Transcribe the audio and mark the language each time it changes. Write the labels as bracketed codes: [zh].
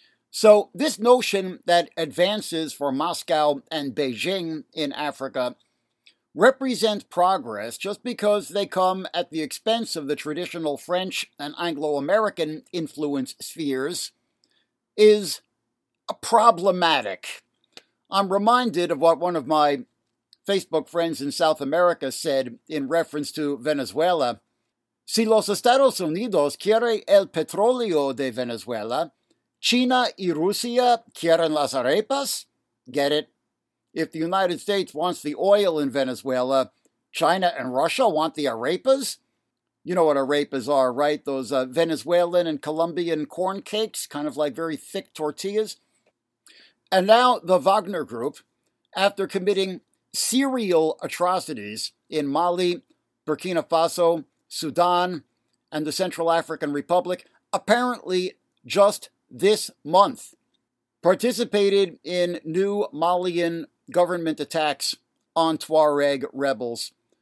[en] So this notion that advances for Moscow and Beijing in Africa represent progress just because they come at the expense of the traditional French and Anglo-American influence spheres is problematic. I'm reminded of what one of my Facebook friends in South America said in reference to Venezuela. [es] Si los Estados Unidos quiere el petróleo de Venezuela, China y Rusia quieren las arepas? [en] Get it? If the United States wants the oil in Venezuela, China and Russia want the arepas? You know what arepas are, right? Those Venezuelan and Colombian corn cakes, kind of like very thick tortillas. And now the Wagner Group, after committing serial atrocities in Mali, Burkina Faso, Sudan, and the Central African Republic, apparently just this month, participated in new Malian government attacks on Tuareg rebels.